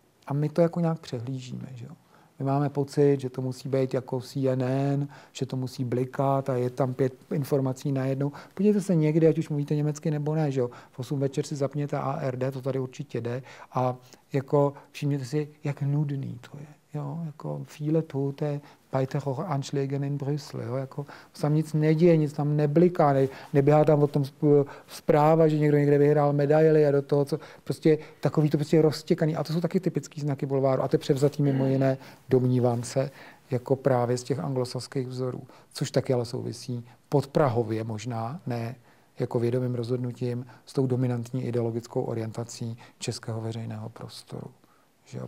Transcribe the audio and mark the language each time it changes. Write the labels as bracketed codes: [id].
[cs] A my to jako nějak přehlížíme, že jo. My máme pocit, že to musí být jako CNN, že to musí blikat a je tam 5 informací najednou. Podívejte se někdy, ať už mluvíte německy nebo ne, že jo. V 8 večer si zapněte ARD, to tady určitě jde. A jako všimněte si, jak nudný to je, jo. [de] Jako viele tote bei Terroranschlägen in Brüssel, jo. [cs] Jako tam nic neděje, nic tam nebliká, neběhá tam o tom zpráva, že někdo někde vyhrál medaily a do toho, co prostě takový to prostě roztěkaný. A to jsou taky typický znaky bulváru. A to je převzatý mimo jiné, domnívám se, jako právě z těch anglosaských vzorů, což taky ale souvisí pod Prahově možná, ne jako vědomým rozhodnutím, s tou dominantní ideologickou orientací českého veřejného prostoru. Že jo?